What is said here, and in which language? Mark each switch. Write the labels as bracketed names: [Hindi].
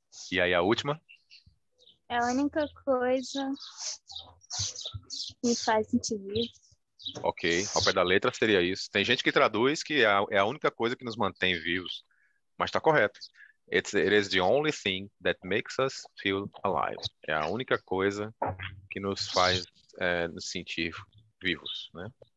[Portuguese] E aí a última? É a única coisa que faz sentir vivo. Ok, ao pé da letra seria isso. Tem gente que traduz que é a única coisa que nos mantém vivos, mas está correto. [English] It is the only thing that makes us feel alive. [Portuguese] É a única coisa que nos faz nos sentir vivos, né?